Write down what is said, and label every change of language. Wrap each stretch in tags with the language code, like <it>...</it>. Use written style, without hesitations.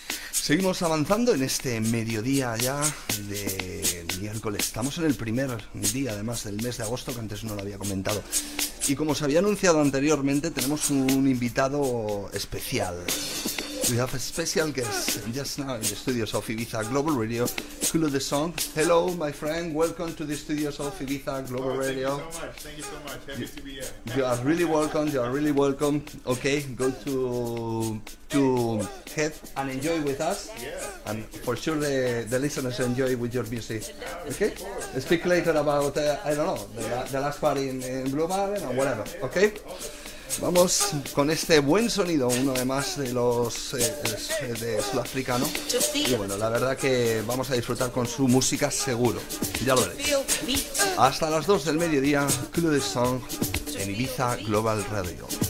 <es>Seguimos avanzando en este mediodía ya de miércoles. Estamos en el primer día, además, del mes de agosto, que antes no lo había comentado. Y como se había anunciado anteriormente, tenemos un invitado especial.</es> <en>We have a special guest just now in the studios of Ibiza Global Radio, Culo de Song. Hello, my friend. Welcome to the studios of Ibiza Global Radio. Thank you so much. Happy to be here. You are really welcome. Okay, go to head and enjoy with us. Yeah. And for sure the listeners enjoy with your music. Okay? Speak later about, the last part in Blue Valley and whatever. Okay?</en> <es>Vamos con este buen sonido, uno de más de los de sudafricano. Y bueno, la verdad que vamos a disfrutar con su música seguro. Ya lo veréis. Hasta las 2 del mediodía, Club de Song en Ibiza Global Radio.</es>